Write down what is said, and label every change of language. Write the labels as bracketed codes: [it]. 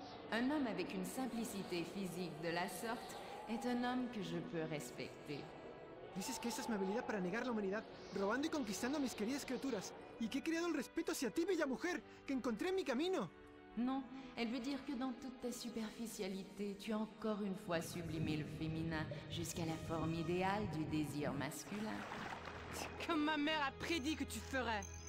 [fr] Un homme avec une simplicité physique de la sorte est un homme que je peux respecter. [es] Dices que esa es mi habilidad para negar la humanidad, robando y conquistando a mis queridas criaturas, y que he creado el respeto hacia ti, bella mujer, que encontré en mi camino. [fr] Non, elle veut dire que dans toute ta superficialité, tu as encore une fois sublimé le féminin jusqu'à la forme idéale du désir masculin. Comme ma mère a prédit que tu ferais.